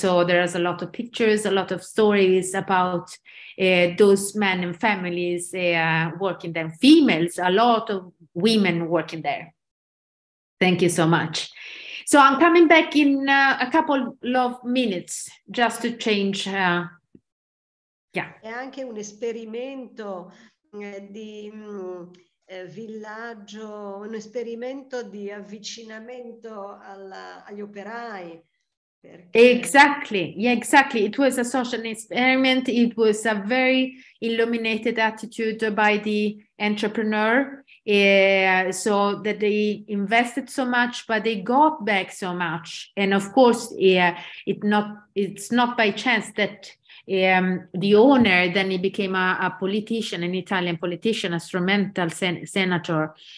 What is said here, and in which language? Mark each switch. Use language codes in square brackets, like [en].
[en] So there is a lot of pictures, a lot of stories about those men and families working there. Females, a lot of women working there. Thank you so much. So I'm coming back in a couple of minutes just to change. [it] È anche un esperimento di villaggio, un esperimento di avvicinamento agli operai. [en] Exactly, yeah, exactly. It was a social experiment. It was a very illuminated attitude by the entrepreneur. So that they invested so much, but they got back so much. And of course, it's not by chance that the owner then he became a politician, an Italian politician, a instrumental senator.